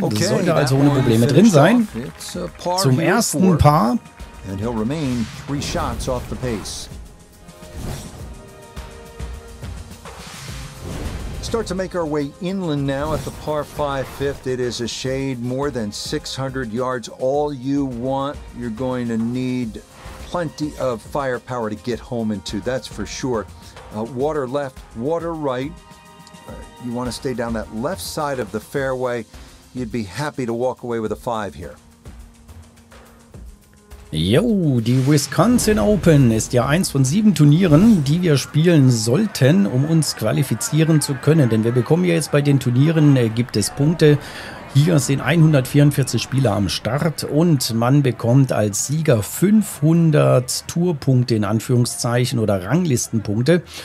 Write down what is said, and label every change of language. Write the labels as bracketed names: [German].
[German] Das okay, sollte also ohne Probleme drin sein. Zum ersten Paar. [English] And he'll remain three shots off the pace. Start to make our way inland now at the par 5 fifth. It is a shade more than 600 yards. All you want, you're going to need plenty of firepower to get home into, that's for sure. Water left, water right. You want to stay down that left side of the fairway. You'd be happy to walk away with a 5 here. [German] Jo, die Wisconsin Open ist ja eins von 7 Turnieren, die wir spielen sollten, um uns qualifizieren zu können. Denn wir bekommen ja jetzt bei den Turnieren, gibt es Punkte. Hier sind 144 Spieler am Start und man bekommt als Sieger 500 Tourpunkte in Anführungszeichen oder Ranglistenpunkte.